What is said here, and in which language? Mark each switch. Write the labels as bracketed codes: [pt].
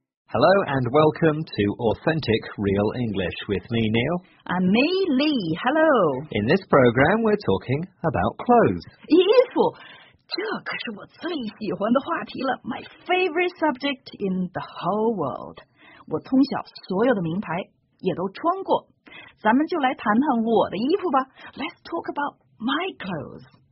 [en] Hello and welcome to Authentic Real English with me, Neil. And me, Lee. Hello. In this program, we're talking about clothes. [zh] 衣服，这可是我最喜欢的话题了。 [en] My favorite subject in the whole world. [zh] 我从小所有的名牌也都穿过。咱们就来谈谈我的衣服吧。 [en] Let's talk about my clothes.